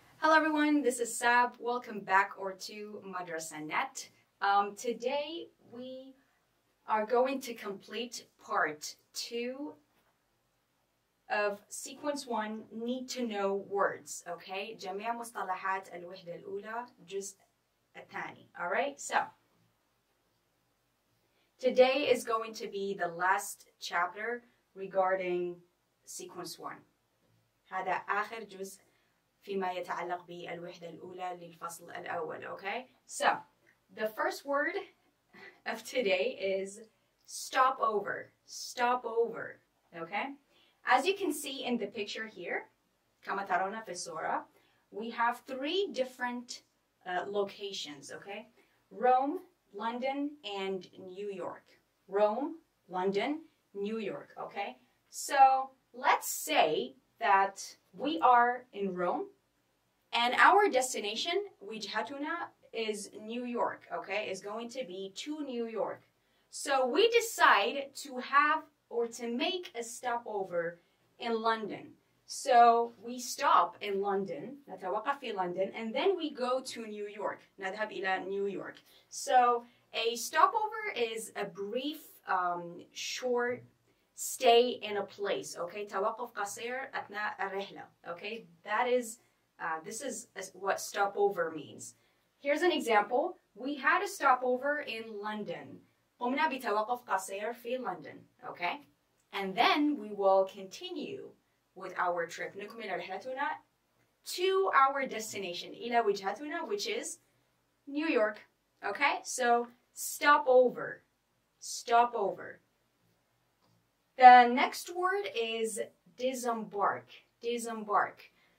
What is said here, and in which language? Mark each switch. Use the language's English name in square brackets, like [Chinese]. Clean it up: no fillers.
[English] Hello everyone, this is Sab. Welcome back or to Madrasa Net. Today we are going to complete part two of sequence one, need to know words, okay? [Arabic] جميع مصطلحات الوحدة الأولى جزء الثاني, [English] all right? So, today is going to be the last chapter regarding sequence one. [Arabic] هذا آخر جزء فيما يتعلق بالوحدة الأولى للفصل الأول, okay? [English] So, the first word of today is stopover, stopover, okay? As you can see in the picture here, [Arabic] كما ترون في الصورة, [English] we have three different locations, okay? Rome, London, and New York. Rome, London, New York, okay? So, let's say that we are in Rome, and our destination, وجهتنا, is New York, okay? Is going to be to New York. So we decide to have or to make a stopover in London. So we stop in London, [Arabic] نتوقف في [English] London, and then we go to New York, [Arabic] نذهب إلى [English] New York. So a stopover is a brief, short stay in a place, okay? [Arabic] توقف قصير أثناء الرحلة, okay? [English] That is... this is what stopover means. Here's an example. We had a stopover in London. [Arabic] قمنا بتوقف قصير في لندن, okay? [English] And then we will continue with our trip. [Arabic] نكمل رحلتنا [English] to our destination, [Arabic] إلى وجهتنا, [English] which is New York, okay? So stopover, stopover. The next word is disembark, disembark.